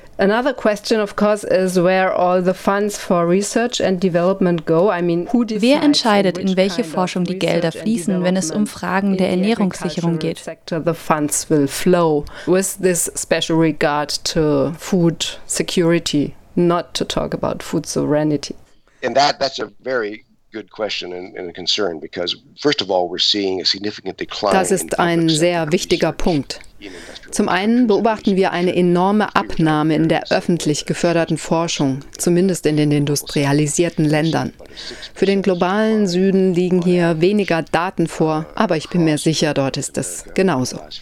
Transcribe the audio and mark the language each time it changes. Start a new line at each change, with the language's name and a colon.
English: Another question, of course, is where all the funds for research and development go. I mean, who decides?
German: Wer entscheidet, in welche Forschung die Gelder fließen, wenn es um Fragen der Ernährungssicherung geht?
English: The funds will flow with this special regard to food security, not to talk about food sovereignty. And that's a very good question and a concern because first of all we're seeing a significant decline.
German: Das ist ein sehr wichtiger Punkt. Zum einen beobachten wir eine enorme Abnahme in der öffentlich geförderten Forschung, zumindest in den industrialisierten Ländern. Für den globalen Süden liegen hier weniger Daten vor, aber ich bin mir sicher, dort ist es genauso.